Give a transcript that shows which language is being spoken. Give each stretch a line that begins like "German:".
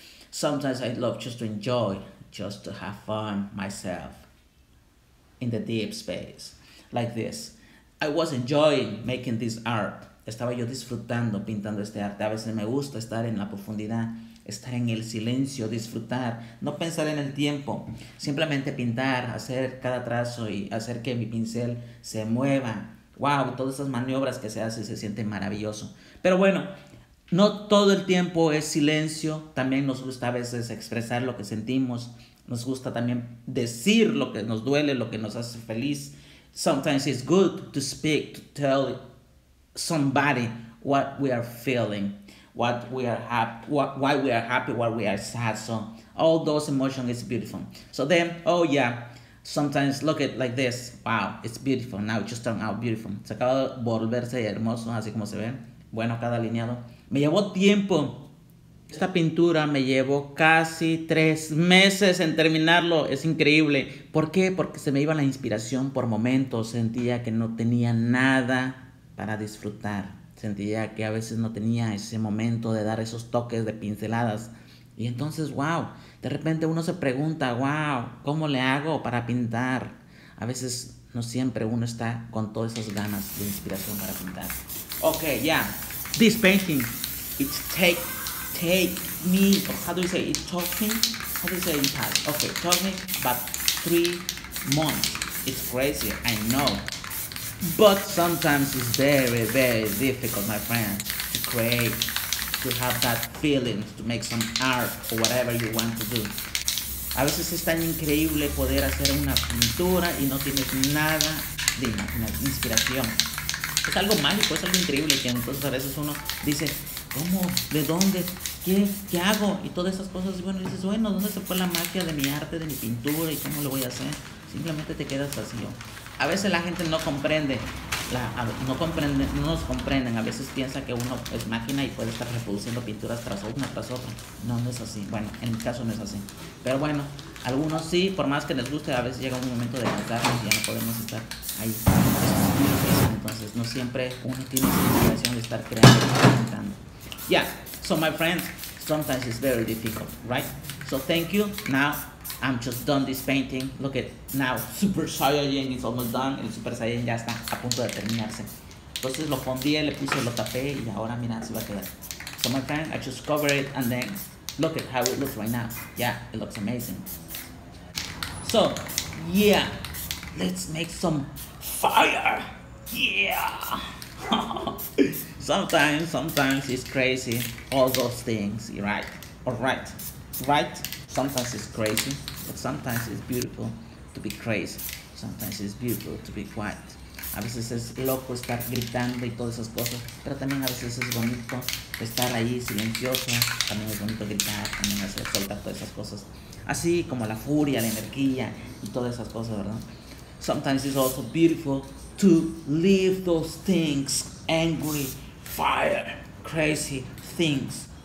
English: Sometimes I love just to enjoy, just to have fun myself in the deep space, like this. I was enjoying making this art.
Spanish: Estaba yo disfrutando pintando este arte. A veces me gusta estar en la profundidad, estar en el silencio, disfrutar, no pensar en el tiempo, simplemente pintar, hacer cada trazo y hacer que mi pincel se mueva. Wow, todas esas maniobras que se hacen se sienten maravilloso. Pero bueno, no todo el tiempo es silencio. También nos gusta a veces expresar lo que sentimos. Nos gusta también decir lo que nos duele, lo que nos hace feliz.
English: Sometimes it's good to speak, to tell somebody what we are feeling, why we are happy, why we are sad. So all those emotions is beautiful. So then, oh yeah, sometimes look at like this. Wow, it's beautiful. Now it just turned out beautiful.
Spanish: Se acaba de volverse hermoso, así como se ve. Bueno, cada alineado. Me llevó tiempo. Esta pintura me llevó casi 3 meses en terminarlo. Es increíble. ¿Por qué? Porque se me iba la inspiración por momentos. Sentía que no tenía nada para disfrutar. Sentía que a veces no tenía ese momento de dar esos toques de pinceladas. Y entonces, wow, de repente uno se pregunta, wow, ¿cómo le hago para pintar? A veces no siempre uno está con todas esas ganas de inspiración para pintar.
English: Okay, yeah, this painting, it take me, how do you say it, took me, how do you say it in Italian? Okay, took me about 3 months. It's crazy, I know. But sometimes it's very, very difficult, my friend, to create, to have that feeling, to make some art or whatever you want to do.
Spanish: A veces es tan increíble poder hacer una pintura y no tienes nada de inspiración. Es algo mágico, es algo increíble que entonces a veces uno dice, ¿cómo? ¿De dónde? ¿Qué hago? Y todas esas cosas, bueno, dices, bueno, ¿dónde se fue la magia de mi arte, de mi pintura y cómo lo voy a hacer? Simplemente te quedas vacío. A veces la gente no comprende, no nos comprenden. A veces piensa que uno es máquina y puede estar reproduciendo pinturas tras una tras otra. No es así. Bueno, en mi caso no es así. Pero bueno, algunos sí, por más que les guste, a veces llega un momento de cansarnos y ya no podemos estar ahí. Entonces, no siempre uno tiene esa inspiración de estar creando y pintando.
English: Yeah, so my friends, sometimes it's very difficult, right? So thank you. Now I'm just done this painting. Look at now, Super Saiyan is almost done.
Spanish: El Super Saiyan ya está a punto de terminarse. Entonces lo fondí, le puse, lo tapé y ahora mira, se va a quedar.
English: So my friend, I just cover it and then look at how it looks right now. Yeah, it looks amazing. So, yeah, let's make some fire. Yeah. sometimes it's crazy, all those things, right? All right, right? Sometimes it's crazy, but sometimes it's beautiful to be crazy. Sometimes it's beautiful to be quiet.
Spanish: A veces es loco estar gritando y todas esas cosas, pero también a veces es bonito estar ahí silencioso. También es bonito gritar, también hacer soltar todas esas cosas. Así como la furia, la energía y todas esas cosas, ¿verdad?
English: Sometimes it's also beautiful to leave those things, angry, fire, crazy things